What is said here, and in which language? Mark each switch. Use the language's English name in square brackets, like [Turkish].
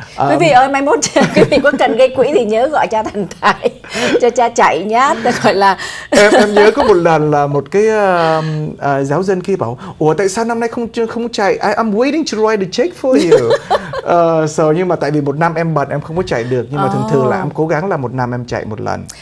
[Vietnamese] Quý vị ơi, mai mốt quý vị có cần gây quỹ thì nhớ gọi cha Thành Tài cho cha chạy nhá. Gọi là em nhớ có một lần là một cái giáo dân kia bảo, ủa tại sao năm nay không chạy? [English] I'm waiting to write the check for you. [Vietnamese] Nhưng mà tại vì một năm em bận em không có chạy được, nhưng mà thường thường là em cố gắng là một năm em chạy một lần.